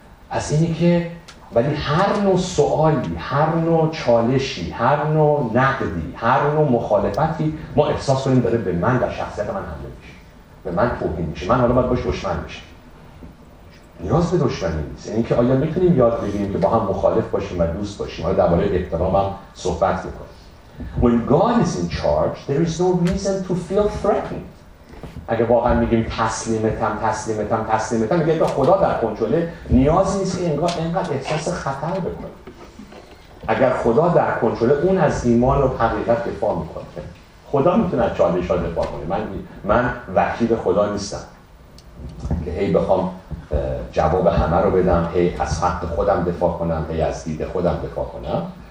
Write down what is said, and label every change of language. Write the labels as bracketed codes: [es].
[fa] پس اینی که ولی هر نوع سوالی، هر نوع چالشی، هر نوع نقدی، هر نوع مخالفتی ما احساس کنیم داره به من، در شخصیت من حمله میشه، به من توهین میشه، من حالا باید باش دشمن بشه. نیاز به دشمنی نیست. یعنی که آیا میتونیم یاد بگیریم که با هم مخالف باشیم و دوست باشیم؟ حالا درباره احترام هم صحبت بکنیم. [en] When God is in charge, there is no reason to feel threatened. [fa] اگه واقعا میگیم تسلیمتم، تسلیمتم، تسلیمتم، میگه که خدا در کنترله، نیازی نیست که اینقدر احساس خطر بکنه. اگر خدا در کنترله، اون از ایمان و حقیقت دفاع میکنه. خدا میتونه از چالش ها دفاع کنه. من وکیل خدا نیستم که هی بخوام جواب همه رو بدم، هی از حق خودم دفاع کنم، هی از دید خودم دفاع کنم.